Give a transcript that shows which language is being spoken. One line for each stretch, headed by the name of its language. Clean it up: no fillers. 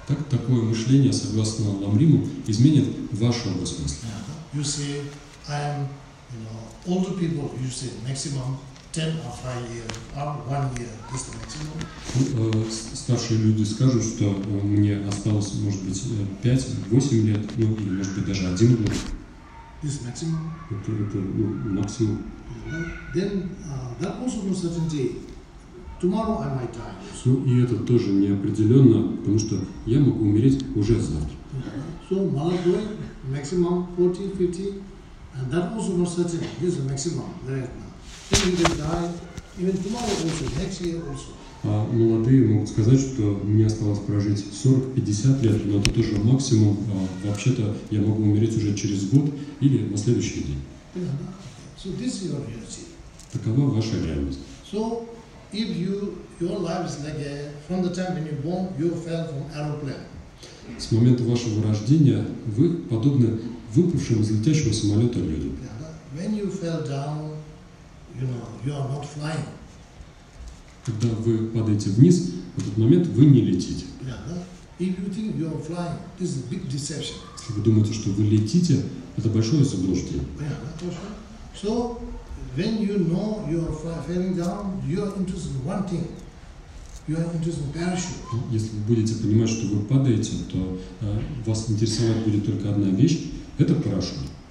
Russian: Такое мышление, согласно ламриму, изменит ваш образ мысли.
English: you say, I am, you know, older people, you say maximum 10 or 5 years, or 1 year, this is the maximum.
Russian: Старшие люди скажут, что мне осталось, может быть, 5-8 лет, ну, или, может быть, даже 1 год.
English: This maximum?
Russian: Это ну, максимум.
English: Then, that also no certainty. Tomorrow I might die.
Russian: Ну, и это тоже неопределенно, потому что я могу умереть уже завтра.
English: So,
Russian: молодой,
English: maximum 40-50, and that also no certainty. This is the maximum right now. Then you can die, even tomorrow also, next year also.
Russian: А молодые могут сказать, что мне осталось прожить 40-50 лет, но это тоже максимум. А вообще-то я могу умереть уже через год или на следующий день.
English: So this is your reality.
Russian: Такова ваша реальность.
English: So if you your life is like a, from the time when you born, you fell from aeroplane.
Russian: С момента вашего рождения вы подобны выпавшему из летящего самолета людям.
English: When you fell down, you know, you are not flying.
Russian: Когда вы падаете вниз, в этот момент вы не летите.
English: If you think you are flying, this is a big deception.
Russian: Если вы думаете, что вы летите, это большое заблуждение.
English: So, when you know you are falling down, you are interested in one thing. You are interested in parachute.
Russian: Если вы будете понимать, что вы падаете, то вас интересовать будет только одна вещь – это парашют.